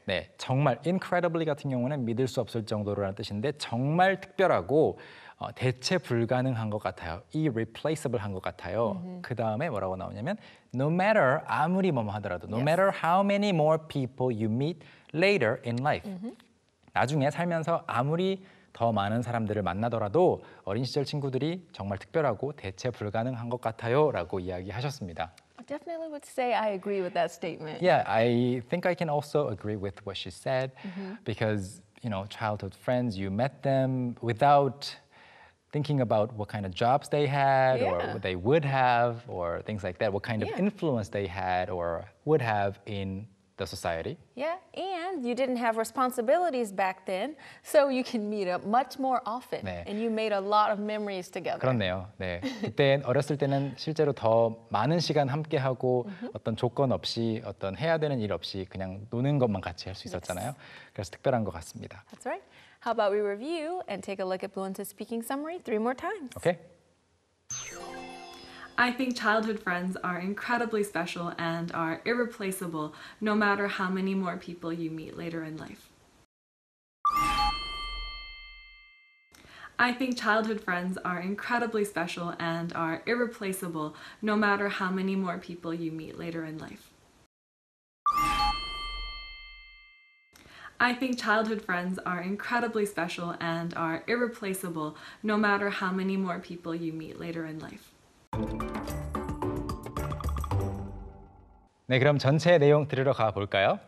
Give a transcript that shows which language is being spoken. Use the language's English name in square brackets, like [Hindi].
[Korean] 네, 정말 incredibly 같은 경우는 믿을 수 없을 정도라는 뜻인데 정말 특별하고 대체 불가능한 것 같아요. Irreplaceable 한 것 같아요. Mm-hmm. 그 다음에 뭐라고 나오냐면 [English] no matter [Korean] 아무리 뭐뭐 하더라도 [English] no yes. matter how many more people you meet later in life. Mm-hmm. [Korean] 나중에 살면서 아무리 더 많은 사람들을 만나더라도 어린 시절 친구들이 정말 특별하고 대체 불가능한 것 같아요라고 이야기하셨습니다. [English] Definitely would say I agree with that statement. Yeah, I think I can also agree with what she said mm-hmm. because, you know, childhood friends, you met them without thinking about what kind of jobs they had yeah. or what they would have or things like that, what kind yeah. of influence they had or would have in the society. Yeah, and you didn't have responsibilities back then, so you can meet up much more often. [Korean] 네. [English] And you made a lot of memories together. [Korean] 그렇네요. 네. 그때 어렸을 때는 실제로 더 많은 시간 함께하고 [English] mm-hmm. [Korean] 어떤 조건 없이 어떤 해야 되는 일 없이 그냥 노는 것만 같이 할 수 있었잖아요. [English] Yes. [Korean] 그래서 특별한 것 같습니다. [English] That's right. How about we review and take a look at Blueins' speaking summary 3 more times. Okay. I think childhood friends are incredibly special and are irreplaceable, no matter how many more people you meet later in life. I think childhood friends are incredibly special and are irreplaceable, no matter how many more people you meet later in life. I think childhood friends are incredibly special and are irreplaceable, no matter how many more people you meet later in life. [Korean] 네, 그럼 전체 내용 들으러 가 볼까요?